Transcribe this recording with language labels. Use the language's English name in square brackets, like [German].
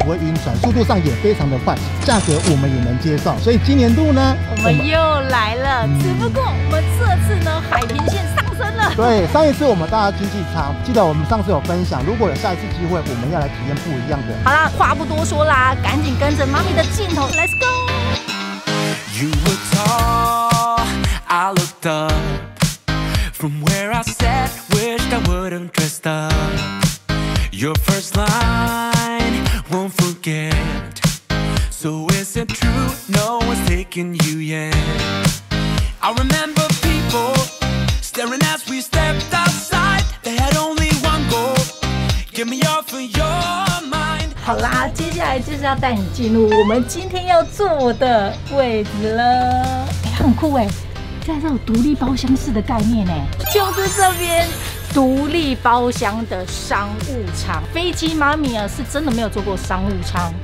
[Chinese] 不会晕船，速度上也非常的快，价格我们也能接受，所以今年度呢，我们又来了。只不过我们这次呢，海平线上升了。对，上一次我们搭的经济舱，记得我们上次有分享，如果有下一次机会，我们要来体验不一样的。好啦，话不多说啦，赶紧跟着妈咪的镜头 ， [English] Let's go。 You were tall, I looked up from where I sat, wished I wouldn't dressed up. Your first line. Won't forget. So is it true? No one's taking you yet. I remember people staring as we stepped outside. They had only one goal. Give me all for your mind. [Chinese] 好啦，接下来就是要带你进入我们今天要坐的位置了。哎，很酷哎，这还是有独立包厢式的概念哎，就是这边。独立包厢的商务舱，飞机妈咪啊是真的没有坐过商务舱，